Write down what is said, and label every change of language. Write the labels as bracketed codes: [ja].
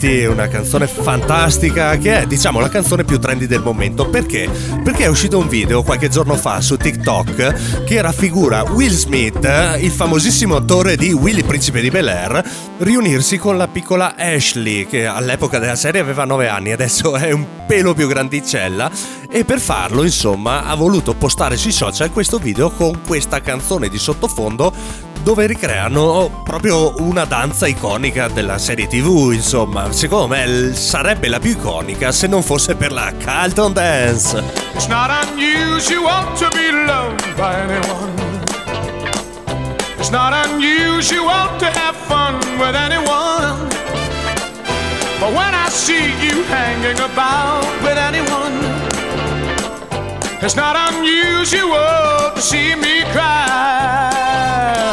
[it] una canzone fantastica che è, diciamo, la canzone più trendy del momento. Perché? Perché è uscito un video qualche giorno fa su TikTok che raffigura Will Smith, il famosissimo attore di Willy Principe di Bel-Air, riunirsi con la piccola Ashley, che all'epoca della serie aveva 9 anni, adesso è un pelo più grandicella, e per farlo, insomma, ha voluto postare sui social questo video con questa canzone di sottofondo dove ricreano proprio una danza iconica della serie TV, insomma, secondo me sarebbe la più iconica se non fosse per la Carlton Dance. [en] It's not unusual to be loved by anyone. It's not unusual to have fun with anyone. But when I see you hanging about with anyone, it's not unusual to see me cry.